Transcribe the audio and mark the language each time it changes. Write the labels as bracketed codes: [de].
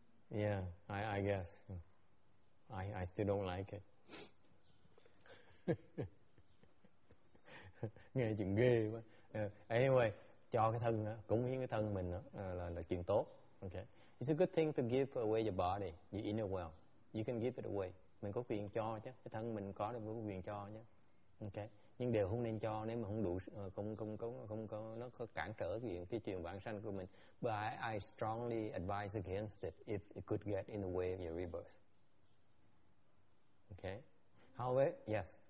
[en] Yeah, I guess. I still don't like it. [vi] Nghe chuyện ghê quá. [en] Anyway, [vi] cho cái thân đó, cúng hiến cái thân mình đó, là chuyện tốt. [en] Okay. It's a good thing to give away your body, your inner world. You can give it away. [vi] Mình có quyền cho chứ, cái thân mình có được có quyền cho chứ. Okay. Nhưng đều không nên cho nếu mà không đủ không có nó có cản trở cái chuyện vãng sanh của mình. [en] But I strongly advise against it if it could get in the way of your rebirth. Okay. However, yes.